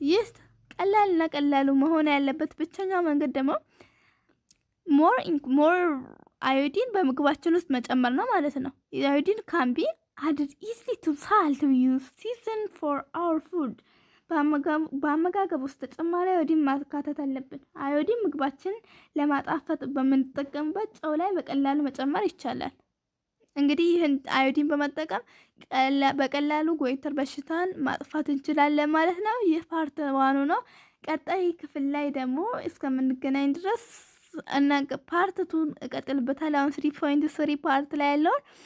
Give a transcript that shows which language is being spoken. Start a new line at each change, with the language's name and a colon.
Amharic: yes ቀላልና ቀላሉ መሆን ያለበት ብቻኛው መንገድ ደግሞ more iodine በምግባችን ውስጥ መጨመር ነው ማለት ነው
English: iodine can be added easily to salt we use season for our food
Amharic: በአመጋገብ ውስጥ ተጨማሪ አዮዲን ማካተት አለብን አዮዲን ምግባችን ለማጣፈጥ በመንጠቀምበት ጨው ላይ በቀላሉ መጨመር ይቻላል እንግዲህ ይሄን አዮዲን በመጠቀም በቀላሉ ጎይተር በሽታን ማጥፋት እንችላለን ማለት ነው ይሄ ፓርት 1 ነው ቀጣይ ክፍል ላይ ደግሞ እስከምንገናኝ ድረስ እና ፓርት 2 እቀጥልበታለሁ አሁን 3.3 ፓርት ላይ ያለው